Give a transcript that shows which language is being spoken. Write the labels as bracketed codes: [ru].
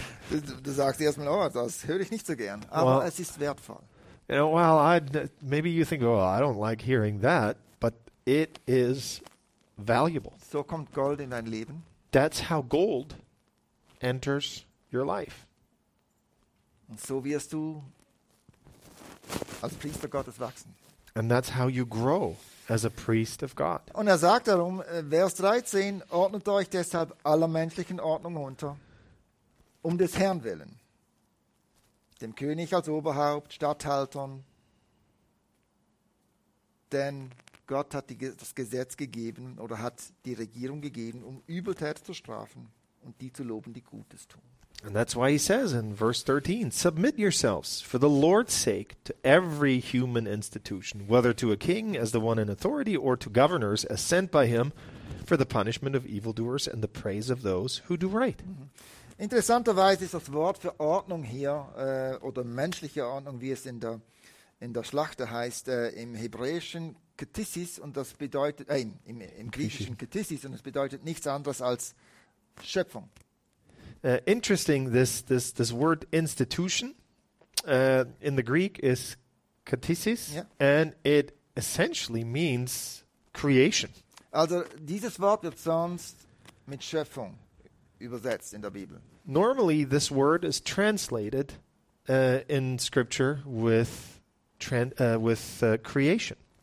[de] Du sagst erstmal, oh, das höre ich nicht so gern. Aber well, es ist wertvoll. [en] You know, well, maybe you think, oh, I don't like hearing that, but it is valuable. [de] So kommt Gold in dein Leben. [en] That's how gold enters your life. [de] Und so wirst du als Priester Gottes wachsen. [en] And that's how you grow as a priest of God. [de] Und er sagt darum, Vers 13, ordnet euch deshalb aller menschlichen Ordnung unter, um des Herrn willen. Dem König als Oberhaupt, Statthaltern. Denn Gott hat das Gesetz gegeben oder hat die Regierung gegeben, um Übeltäter zu strafen und die zu loben, die Gutes tun. [en] And that's why he says in verse 13, submit yourselves for the Lord's sake to every human institution, whether to a king as the one in authority or to governors as sent by him for the punishment of evildoers and the praise of those who do right. [de] Interessanterweise ist das Wort für Ordnung hier, oder menschliche Ordnung, wie es in der Schlachter heißt, im Hebräischen Ketissis, und das bedeutet, im Griechischen Ketissis, und es bedeutet nichts anderes als Schöpfung. [en] Interesting, this word institution in the Greek is katisis, yeah. And it essentially means creation. [de] Also dieses Wort wird sonst mit Schöpfung übersetzt in der Bibel. [en] Normally this word is translated in scripture with creation.